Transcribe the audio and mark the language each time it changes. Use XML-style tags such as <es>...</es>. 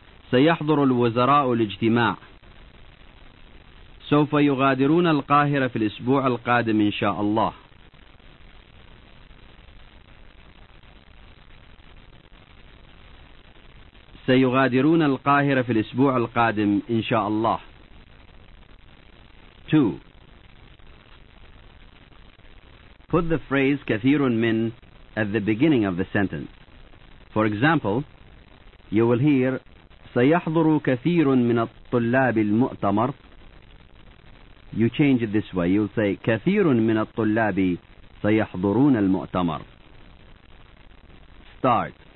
<ar>سيحضر الوزراء الاجتماع. سوف يغادرون القاهرة في الأسبوع القادم إن شاء الله. سيغادرون القاهرة في الأسبوع القادم إن شاء الله.</ar> <en>2. Put the phrase</en> <ar>كثير من</ar> <en>at the beginning of the sentence. For example, you will hear</en> <ar>سيحضر كثير من الطلاب المؤتمر.</ar> <en>You change it this way. You'll say</en> <ar>كثير من الطلاب سيحضرون المؤتمر.</ar> <en>Start.</en>